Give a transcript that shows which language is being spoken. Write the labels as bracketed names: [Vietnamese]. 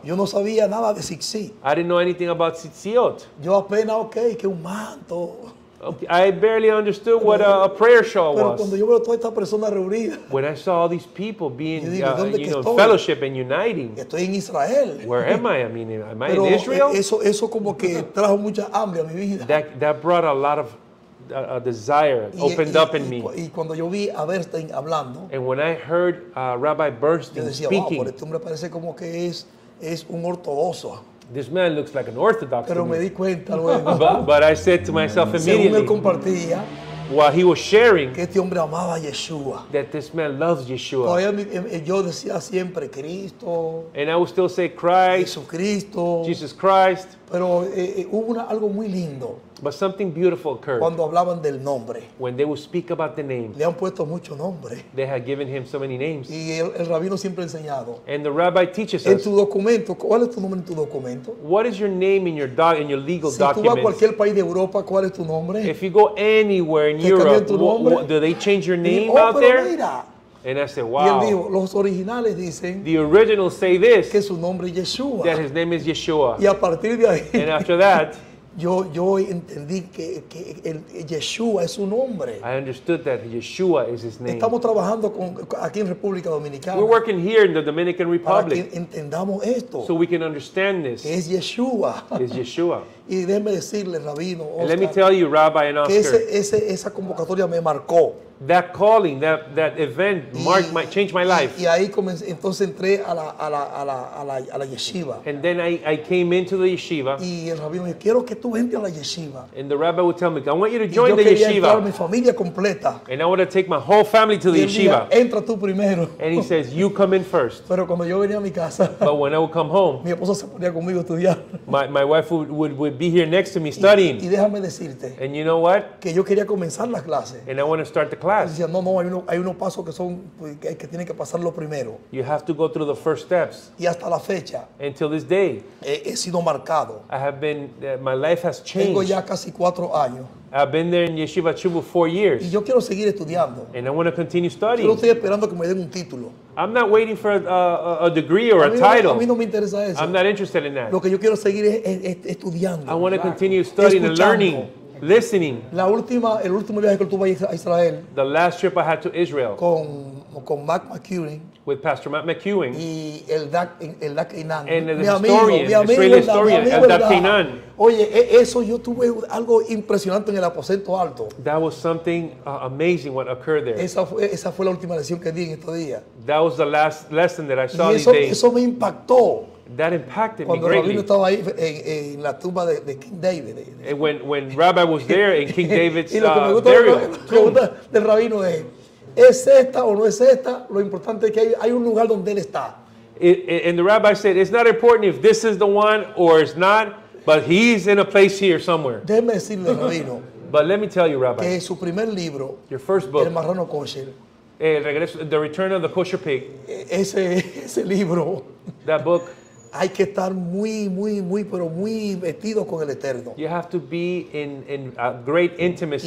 [Spanish] Yo no sabía nada de tzitzit. [English] I didn't know anything about tzitzit. [Spanish] Yo apenas, okay, que un manto. [English] Okay, I barely understood what a prayer shawl was. [Spanish] Cuando yo veo toda esta persona reunida, [English] when I saw all these people being fellowship and uniting, [Spanish] estoy en Israel. [English] Where am I? I mean, am [Spanish] pero [English] I in Israel? [Spanish] Eso como que trajo mucha hambre a mi vida. [English] That brought a lot of a desire opened up in me. [Spanish] Y cuando yo vi a Bernstein hablando, [English] and when I heard Rabbi Bernstein [Spanish] decía, [English] speaking, [Spanish] wow, pero este hombre parece como que es un ortodoxo. [English] This man looks like an Orthodox [Spanish] pero [English] to [Spanish] me. Me di cuenta luego. [English] But I said to myself immediately, [Spanish] según él compartía, [English] while he was sharing, [Spanish] que este hombre amaba a Yeshua, [English] that this man loves Yeshua. [Spanish] Todavía, yo decía siempre, Cristo, [English] and I would still say Christ, [Spanish] Jesucristo, [English] Jesus Christ. [Spanish] Pero hubo algo muy lindo. [English] But something beautiful occurred. [Spanish] Cuando hablaban del nombre. [English] When they would speak about the name. [Spanish] Le han puesto mucho nombre. [English] They had given him so many names. [Spanish] Y el rabino siempre ha enseñado. [English] And the rabbi teaches [Spanish] en En tu documento, ¿cuál es tu nombre en tu documento? [English] What is your name in your legal [Spanish] si Si tú vas a cualquier país de Europa, ¿cuál es tu nombre? [English] If you go anywhere in Europe, do they change your name [Spanish] dijo, [English] out there? [Spanish] Mira. [English] And I said, wow. [Spanish] Y él dijo, los originales dicen. [English] The originals say this. [Spanish] Que su nombre es Yeshua. [English] That his name is Yeshua. [Spanish] Y a partir de ahí. [English] And after that. [Spanish] Yo entendí que el Yeshua es su nombre. [English] I understood that Yeshua is his name. [Spanish] Estamos trabajando aquí en República Dominicana. [English] We're working here in the Dominican Republic. [Spanish] Para que entendamos esto. [English] So we can understand this. [Spanish] Es Yeshua. [English] Is Yeshua. [Spanish] Y déjeme decirle, Rabino Oscar. [English] And let me tell you, Rabbi and Oscar. [Spanish] Que esa convocatoria me marcó. [English] That calling, that event marked my changed my life. [Spanish] Y ahí comencé, entonces entré a la yeshiva. [English] And then I came into the yeshiva. [Spanish] Y el rabino me dijo, quiero que tú entres a la yeshiva. [English] And the rabbi would tell me, I want you to join the yeshiva. [Spanish] Y yo quería entrar mi familia completa. [English] And I want to take my whole family to the yeshiva. [Spanish] Y él dice, entra tú primero. [English] And he says, you come in first. [Spanish] Pero cuando yo venía a mi casa, [English] but when I would come home, [Spanish] mi esposa se ponía conmigo a estudiar. [English] My wife would be here next to me studying. [Spanish] Y déjame decirte, [English] and you know what? [Spanish] Que yo quería comenzar las clases. [English] And I want to start the class. [Spanish] Decía, no, hay unos pasos que son que tienen que pasar lo primero. [English] You have to go through the first steps. [Spanish] Y hasta la fecha. [English] Until this day. [Spanish] He sido marcado. [English] I have been, my life has changed. [Spanish] Tengo ya casi 4 años. [English] I've been there in Yeshiva Chubu 4 years. [Spanish] Y yo quiero seguir estudiando. [English] And I want to continue studying. [Spanish] Yo no estoy esperando que me den un título. [English] I'm not waiting for a degree or a title. [Spanish] A mí no me interesa eso. [English] I'm not interested in that. [Spanish] Lo que yo quiero seguir es estudiando. [English] I want to continue studying. [Spanish] Escuchando. [English] And learning. Listening. [Spanish] La última, el último viaje que tuve a Israel. [English] The last trip I had to Israel. [Spanish] Con Mac McEwing. [English] With Pastor Matt McEwing. [Spanish] Y el Dak Keinan. [English] And the historian, Israeli historian, Dak Keinan. [Spanish] Oye, eso yo tuve algo impresionante en el aposento alto. [English] That was something amazing what occurred there. [Spanish] Esa fue la última lección que di en estos días. [English] That was the last lesson that I saw these days. [Spanish] Y eso me impactó. [English] That impacted [Spanish] cuando [English] me greatly. [Spanish] Cuando Rabino estaba ahí en la tumba de King David. [English] And when Rabbi was there in King David's burial. [Spanish] Y lo que me gusta del Rabino es esta o no es esta, lo importante es que hay un lugar donde él está. [English] And the Rabbi said, it's not important if this is the one or it's not, but he's in a place here somewhere. [Spanish] Déjeme decirle, Rabino. [English] But let me tell you, Rabbi. [Spanish] Que su primer libro. [English] Your first book. [Spanish] El Marrano Kosher. El regreso, [English] The Return of the Kosher Pig. [Spanish] Ese libro. [English] That book. [Spanish] Hay que estar muy, muy, muy, pero muy metido con el Eterno. [English] You have to be in a great intimacy.